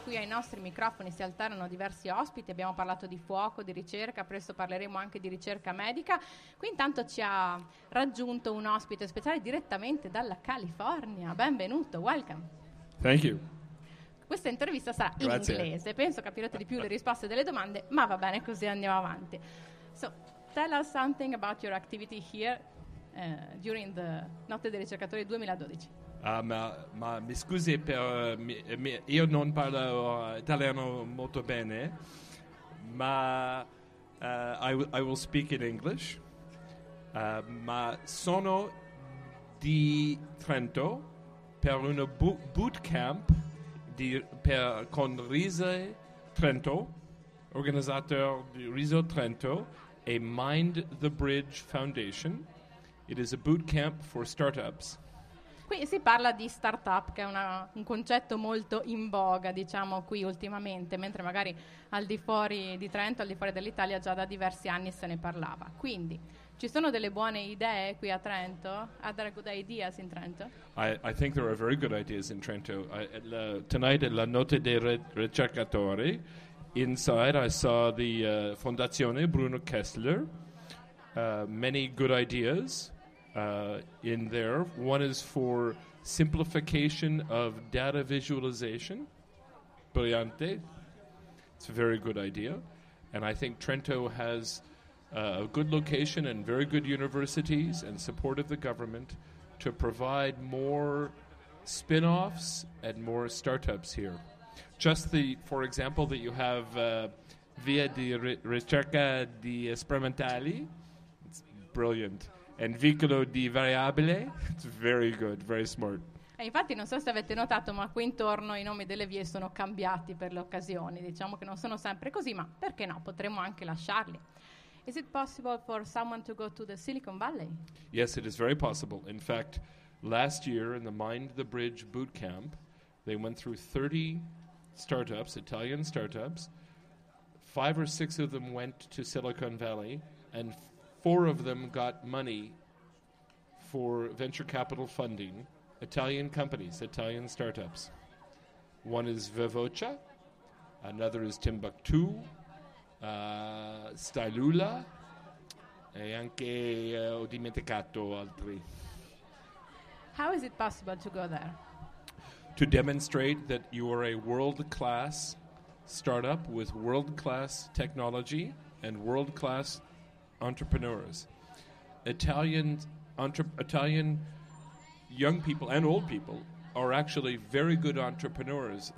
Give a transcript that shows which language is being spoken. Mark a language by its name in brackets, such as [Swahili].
[Italian] Qui ai nostri microfoni si alternano diversi ospiti, abbiamo parlato di fuoco, di ricerca, presto parleremo anche di ricerca medica. Qui intanto ci ha raggiunto un ospite speciale direttamente dalla California. Benvenuto, welcome. [English] Thank you. [Italian] Questa intervista sarà in inglese, penso capirete di più le risposte delle domande, ma va bene così, andiamo avanti. [English] So, tell us something about your activity here during the Notte dei Ricercatori 2012. [Italian] Ma mi scusi, io non parlo italiano molto bene, ma [English] I will speak in English, [Italian] ma sono di Trento per un bootcamp con Rise Trento, organizzatore di Rise Trento e Mind the Bridge Foundation. [English] It is a boot camp for startups. [Italian] Qui si parla di startup, che è un concetto molto in voga, diciamo, qui ultimamente, mentre magari al di fuori di Trento, al di fuori dell'Italia, già da diversi anni se ne parlava. Quindi, ci sono delle buone idee qui a Trento? [English] Are there good ideas in Trento? I think there are very good ideas in Trento. Tonight at la Notte dei Ricercatori, inside I saw the Fondazione Bruno Kessler. Many good ideas in there. One is for simplification of data visualization. Brillante. It's a very good idea. And I think Trento has a good location and very good universities and support of the government to provide more spin-offs and more startups here. Just the, for example, that you have Via di Ricerca di Sperimentali, it's brilliant, and Vicolo di Variabile, it's very good, very smart. [Italian] E infatti non so se avete notato, ma qui intorno i nomi delle vie sono cambiati per le occasioni, diciamo che non sono sempre così, ma perché no, potremmo anche lasciarli. [English] Is it possible for someone to go to the Silicon Valley? Yes, it is very possible. In fact, last year in the Mind the Bridge boot camp, they went through 30 startups, Italian startups, five or six of them went to Silicon Valley, and four of them got money for venture capital funding, Italian companies, Italian startups. One is Vivocha, another is Timbuktu, Stylula, [Italian] e anche ho dimenticato altri. [English] How is it possible to go there? To demonstrate that you are a world-class startup with world-class technology and world-class entrepreneurs. Italian young people and old people are actually very good entrepreneurs.